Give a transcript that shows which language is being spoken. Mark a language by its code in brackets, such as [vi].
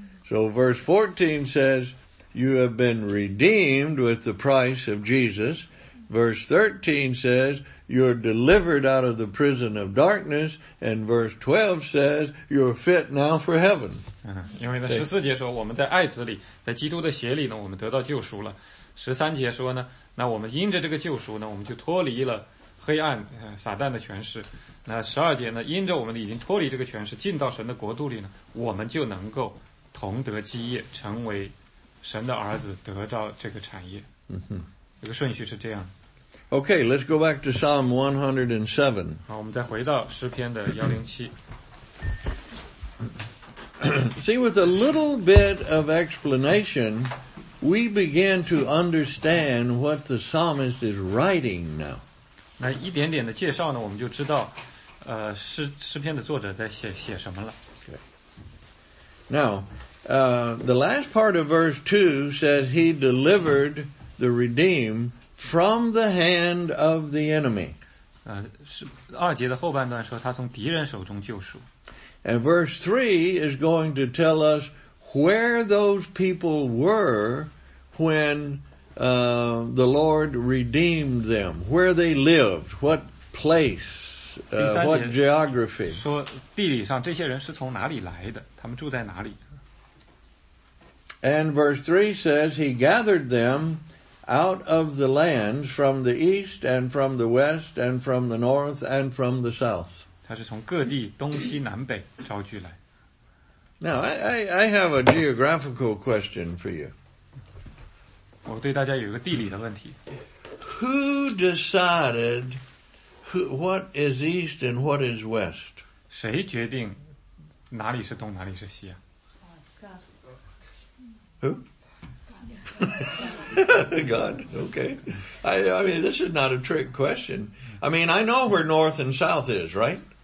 [en] So verse 14 says, "You have been redeemed with the price of Jesus." Verse 13 says, "You're delivered out of the prison of darkness." And verse 12 says, "You're fit now for heaven." [zh] 因为呢，十四节说我们在爱子里，在基督的血里呢，我们得到救赎了。十三节说呢，那我们因着这个救赎呢，我们就脱离了黑暗撒旦的权势。那十二节呢，因着我们已经脱离这个权势，进到神的国度里呢，我们就能够同得基业，成为神的儿子，得到这个产业。嗯哼。这个顺序是这样。 [en] Okay, let's go back to Psalm 107. [zh] 好，我们再回到诗篇的107。 [en] See, with a little bit of explanation, we begin to understand what the psalmist is writing now. [zh] 那一点点的介绍呢，我们就知道，诗篇的作者在写什么了。 [en] Okay. Now, the last part of verse 2 says he delivered the redeemed from the hand of the enemy. [zh] 二节的后半段说他从敌人手中救赎。 [en] And verse 3 is going to tell us where those people were when the Lord redeemed them, where they lived, what place, what geography. [zh] 说地理上这些人是从哪里来的，他们住在哪里。 [en] And verse 3 says he gathered them out of the lands from the east and from the west and from the north and from the south. [zh] 它是从各地东西南北招聚来。 [en] Now, I have a geographical question for you. [zh] 我对大家有一个地理的问题。 [en] Who decided what is east and what is west? [zh] 谁决定哪里是东哪里是西啊？ [en] Who? God, okay. I mean, this is not a trick question. I mean, I know where north and south is, right?